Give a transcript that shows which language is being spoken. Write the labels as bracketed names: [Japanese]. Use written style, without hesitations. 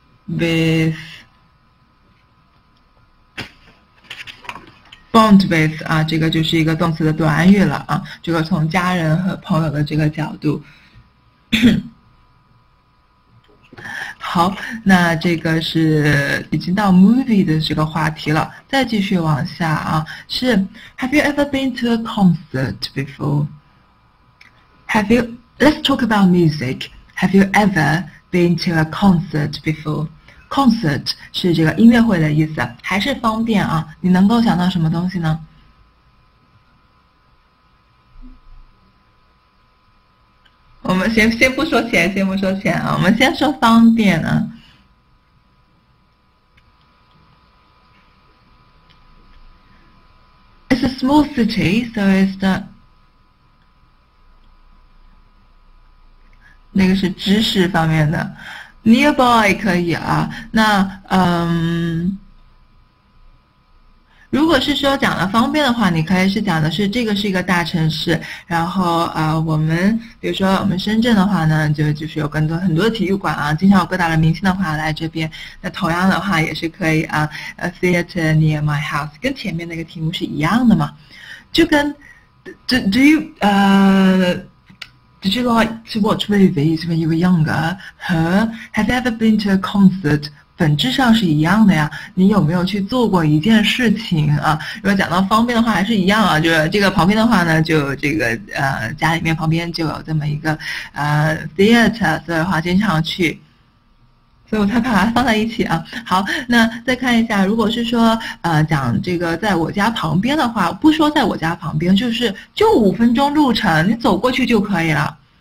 [Chinese] With bond with 啊，这个就是一个动词的短语了啊。这个从家人和朋友的这个角度，好，那这个是已经到 movie 的这个话题了。再继续往下啊，是 [English] Have you ever been to a concert before? Let's talk about music. Have you ever been to a concert before? [Chinese] concert 是这个音乐会的意思，还是方便啊？你能够想到什么东西呢？我们先不说钱，先不说钱啊，我们先说方便啊。 [English] It's a small city, so it's the [Chinese] 那个是知识方面的， [English] nearby 可以啊。 [Chinese] 那如果是说讲的方便的话，你可以是讲的是这个是一个大城市，然后我们比如说我们深圳的话呢，就是有很多体育馆啊，经常有各大的明星的话来这边。那同样的话也是可以啊， [English] a theater near my house， [Chinese] 跟前面那个题目是一样的嘛，就跟 [English] Did you like to watch movies when you were younger? 和 Have you ever been to a concert? [Chinese] 本质上是一样的呀。你有没有去做过一件事情啊？如果讲到方便的话，还是一样啊。就是这个旁边的话呢，就这个家里面旁边就有这么一个theater，所以的话经常去。所以我才把它放在一起啊。好，那再看一下，如果是说讲这个在我家旁边的话，不说在我家旁边，就5分钟路程，你走过去就可以了。